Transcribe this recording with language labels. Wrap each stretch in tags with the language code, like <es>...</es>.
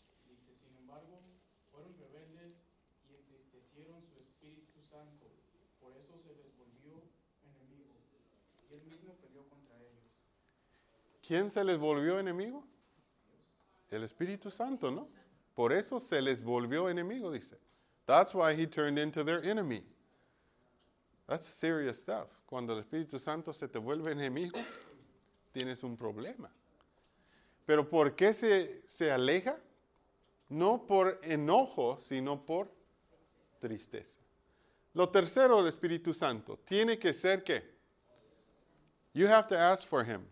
<es>Dice, sin embargo, fueron rebeldes y entristecieron su Espíritu Santo. Por eso se les volvió enemigo. Y él mismo peleó contra ellos. ¿Quién se les volvió enemigo? El Espíritu Santo, ¿no? Por eso se les volvió enemigo, dice.</es> <en>That's why he turned into their enemy. That's serious stuff.</en> <es>Cuando el Espíritu Santo se te vuelve enemigo, tienes un problema. Pero ¿por qué se aleja? No por enojo, sino por tristeza. Lo tercero, el Espíritu Santo, tiene que ser ¿qué?</es> <en>You have to ask for him.</en>